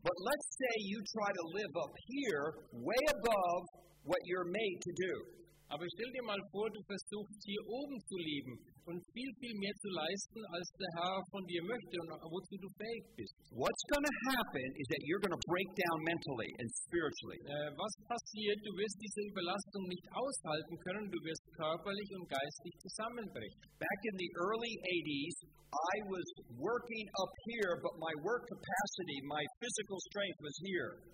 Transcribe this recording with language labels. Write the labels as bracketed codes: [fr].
[en] But let's say you try to live up here, way above what you're made to do. [de] Aber stell dir mal vor, du versuchst hier oben zu leben und viel, viel mehr zu leisten, als der Herr von dir möchte und wozu du fähig bist. [en] What's going to happen is that you're going to break down mentally and spiritually. [de] Was passiert, du wirst diese Überlastung nicht aushalten können, du wirst körperlich und geistig zusammenbrechen. [en] Back in the early 80s, I was working up here, but my work capacity, my physical strength was here.